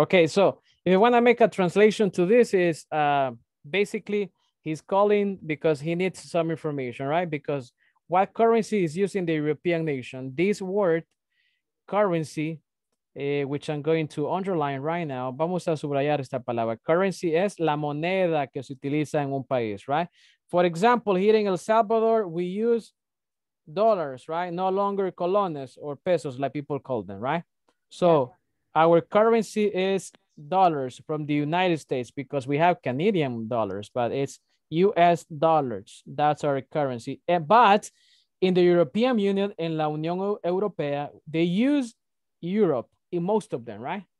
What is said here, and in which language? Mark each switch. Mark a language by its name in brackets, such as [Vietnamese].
[English] Okay, so if you want to make a translation to this, is basically he's calling because he needs some information, right? Because what currency is used in the European nation? This word, currency, which I'm going to underline right now. [Spanish] Vamos a subrayar esta palabra. Currency es la moneda que se utiliza en un país, [English] right? For example, here in El Salvador, we use dollars, right? No longer colones or pesos, like people call them, right? So our currency is dollars from the United States because we have Canadian dollars, but it's US dollars. That's our currency. But in the European Union, in La Unión Europea, they use Europe in most of them, right?